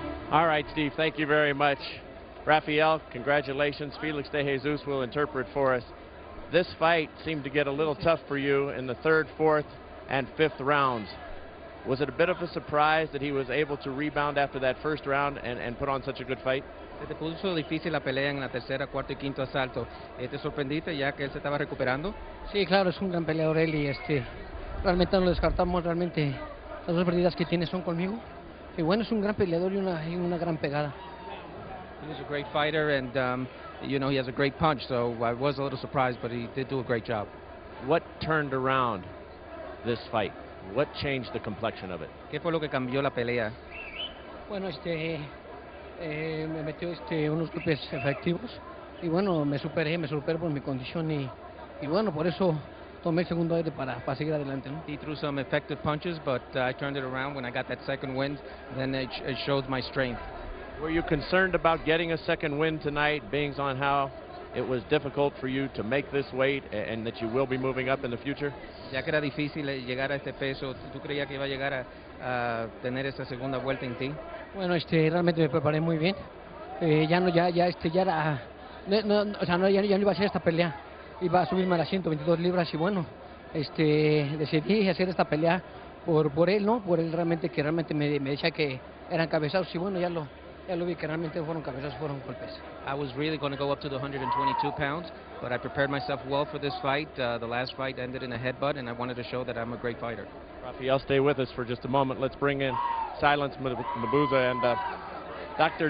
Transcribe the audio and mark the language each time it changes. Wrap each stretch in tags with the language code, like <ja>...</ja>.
<en>All right, Steve, thank you very much. Rafael, congratulations. Felix De Jesus will interpret for us. This fight seemed to get a little tough for you in the third, fourth, and fifth rounds. Was it a bit of a surprise that he was able to rebound after that first round and put on such a good fight?</en> <es>Se puso difícil la pelea en la tercera, cuarto y quinto asalto. ¿Te sorprendiste ya que él se estaba recuperando? Sí, claro, es un gran peleador él y realmente no lo descartamos. Realmente las dos perdidas que tiene son conmigo. Y bueno, es un gran peleador y una gran pegada.</es> <en>He's a great fighter, and he has a great punch, so I was a little surprised, but he did do a great job. What turned around this fight? What changed the complexion of it?</en> <es>¿Qué fue lo que cambió la pelea? Bueno, me metió unos golpes efectivos, y bueno, me superé por mi condición, y bueno, por eso tomé el segundo aire para seguir adelante. ¿No?</es> <en>He threw some effective punches, but I turned it around when I got that second wind, then it showed my strength. Were you concerned about getting a second win tonight, being on how it was difficult for you to make this weight and that you will be moving up in the future?</en> <es>Ya que era difícil llegar a este peso, ¿tú creías que iba a llegar a tener esta segunda vuelta en ti? Bueno, realmente me preparé muy bien. Ya no iba a hacer esta pelea. Iba a subirme a las 122 libras y bueno, decidí hacer esta pelea por él, ¿no? Por él realmente, que realmente me decía que eran cabezazos y bueno,</es> <en>I was really going to go up to the 122 pounds, but I prepared myself well for this fight. The last fight ended in a headbutt, and I wanted to show that I'm a great fighter. Rafael, stay with us for just a moment. Let's bring in Silence Mabuza and Dr.</en>